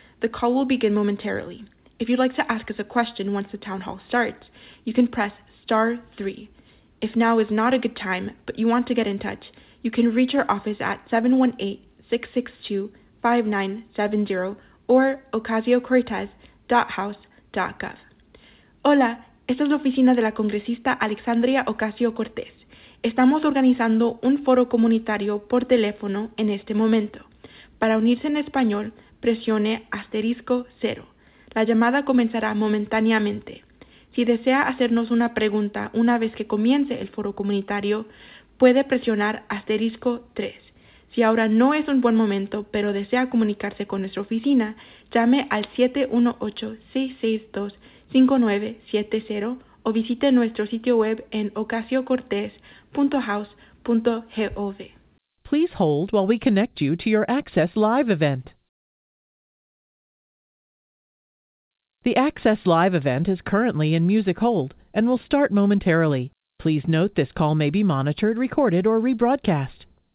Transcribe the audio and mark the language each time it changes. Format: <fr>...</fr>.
<en>The call will begin momentarily. If you'd like to ask us a question once the town hall starts, you can press star 3. If now is not a good time, but you want to get in touch, you can reach our office at 718-662-5970 or ocasiocortez.house.gov.</en> <es>Hola. Esta es la oficina de la congresista Alexandria Ocasio-Cortez. Estamos organizando un foro comunitario por teléfono en este momento. Para unirse en español, presione asterisco 0. La llamada comenzará momentáneamente. Si desea hacernos una pregunta una vez que comience el foro comunitario, puede presionar asterisco 3. Si ahora no es un buen momento, pero desea comunicarse con nuestra oficina, llame al 718-662-5970 o visite nuestro sitio web en ocasiocortez.house.gov.</es> <en>Please hold while we connect you to your Access Live event. The Access Live event is currently in music hold and will start momentarily. Please note this call may be monitored, recorded, or rebroadcast.</en>